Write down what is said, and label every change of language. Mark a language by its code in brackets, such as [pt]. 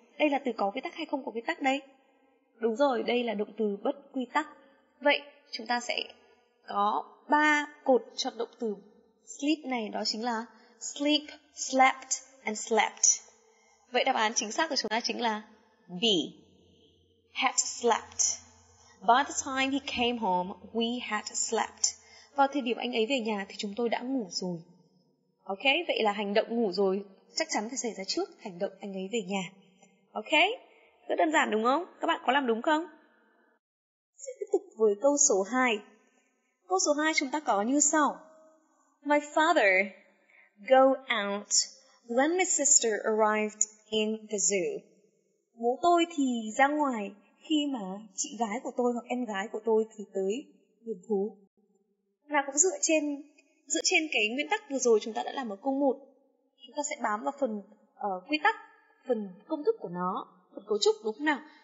[vi] Đây là từ có quy tắc hay không có quy tắc đây? Đúng rồi, đây là động từ bất quy tắc. Vậy chúng ta sẽ có 3 cột cho động từ sleep này, đó chính là sleep, slept and slept. Vậy đáp án chính xác của chúng ta chính là B. [en] Had slept. By the time he came home, we had slept. [vi] Vào thời điểm anh ấy về nhà thì chúng tôi đã ngủ rồi. Ok, vậy là hành động ngủ rồi chắc chắn phải xảy ra trước hành động anh ấy về nhà. Ok, rất đơn giản đúng không? Các bạn có làm đúng không? Sẽ tiếp tục với câu số 2. Câu số 2 chúng ta có như sau. [en] My father go out when my sister arrived in the zoo. [vi] Bố tôi thì ra ngoài khi mà chị gái của tôi hoặc em gái của tôi thì tới vườn thú. Nào cũng dựa trên cái nguyên tắc vừa rồi chúng ta đã làm ở câu 1. Chúng ta sẽ bám vào phần quy tắc, phần công thức của nó, phần cấu trúc đúng không nào?